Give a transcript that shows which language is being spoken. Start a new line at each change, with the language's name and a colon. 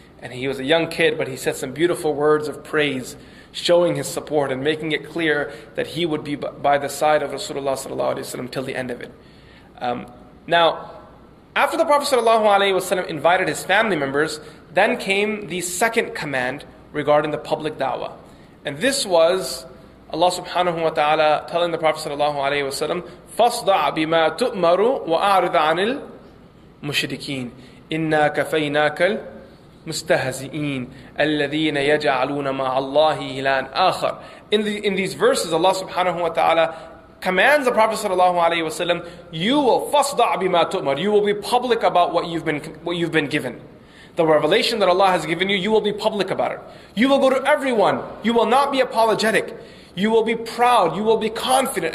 English: And he was a young kid, but he said some beautiful words of praise, showing his support and making it clear that he would be by the side of Rasulullah sallallahu alaihi wasallam till the end of it. Now, after the Prophet sallallahu alaihi wasallam invited his family members, then came the second command regarding the public da'wah. And this was Allah subhanahu wa ta'ala telling the Prophet sallallahu alaihi wasallam,
Arabic: فَاصْدَعْ بِمَا تُؤْمَرُ وَأَعْرِضْ عَنِ الْمُشْرِكِينَ إِنَّا كَفَيْنَاكَ الْمُسْتَهَزِئِينَ الَّذِينَ يَجَعَلُونَ مَعَ اللَّهِ إِلَانَ آخَرَ.
English: In these verses, Allah subhanahu wa ta'ala commands the Prophet sallallahu alaihi wasallam, you will
Arabic: فَاصْدَعْ بِمَا تُؤْمَرُ.
English: You will be public about what you've been given. The revelation that Allah has given you will be public about it. You will go to everyone. You will not be apologetic. You will be proud. You will be confident.